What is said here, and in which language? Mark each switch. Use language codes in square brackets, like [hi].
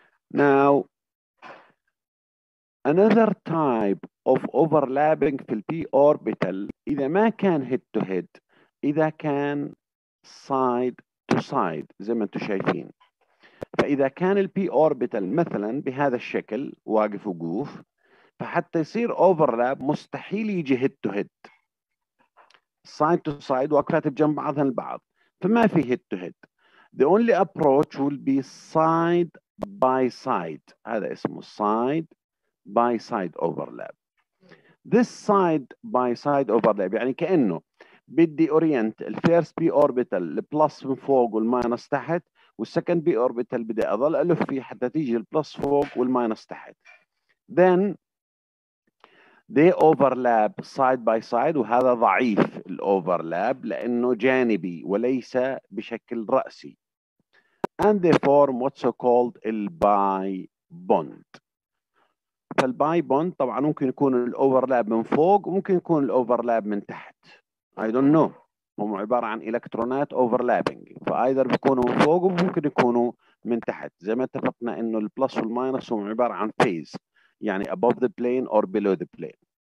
[en] now another type of overlapping في الـ p orbital [ar] إذا ما كان [en] head to head، إذا كان side to side [ar] زي ما أنتم شايفين. فإذا كان الـ p orbital مثلا بهذا الشكل واقف وقوف، فحتى يصير overlap مستحيل يجي head to head. side to side واقفتها بجنب بعضها البعض، فما في head to head. [en] The only approach will be side by side. [ar] هذا اسمه side by side overlap. [en] This side by side overlap [ar] يعني كأنه بدي [en] orient the first p orbital the plus [ar] من فوق والماينس تحت، والسكند بي اوربيتال بدي اظل الف فيه حتى تيجي البلس فوق والماينس تحت. [en] Then they overlap side by side، [ar] وهذا ضعيف الاوفرلاب لانه جانبي وليس بشكل راسي. [en] And they form what's called the bi bond. [ar] فالباي بوند طبعا ممكن يكون الاوفرلاب من فوق وممكن يكون الاوفرلاب من تحت. [en] I don't know. [ar] هم عبارة عن إلكترونات overlapping، فأيذر بيكونوا من فوق وممكن يكونوا من تحت، زي ما اتفقنا إنه البلس والماينس هم عبارة عن phase، يعني [en] above the plane or below the plane.